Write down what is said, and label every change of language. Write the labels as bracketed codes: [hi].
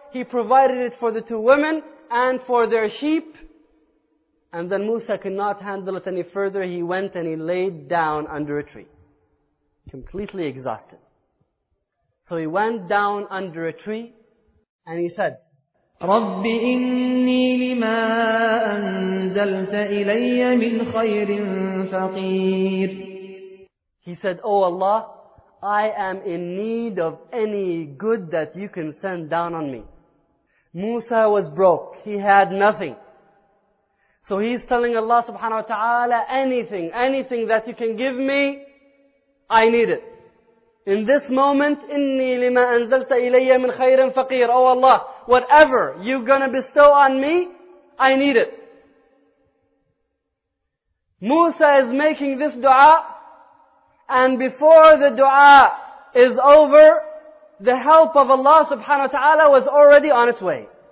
[en] He provided it for the two women and for their sheep. And then Musa could not handle it any further. He went and he laid down under a tree. Completely exhausted. So he went down under a tree and he said, رب إني لما أنزلت إلي من خير فقير. He said, "Oh Allah, I am in need of any good that you can send down on me." Musa was broke. He had nothing. So he's telling Allah subhanahu wa ta'ala, anything that you can give me, I need it. In this moment, [ar] إِنِّي لِمَا أَنزَلْتَ إِلَيَّ مِنْ خَيْرٍ فَقِيرٍ. [en] Oh Allah, whatever you're gonna bestow on me, I need it. Musa is making this dua, and before the dua is over, the help of Allah subhanahu wa ta'ala was already on its way.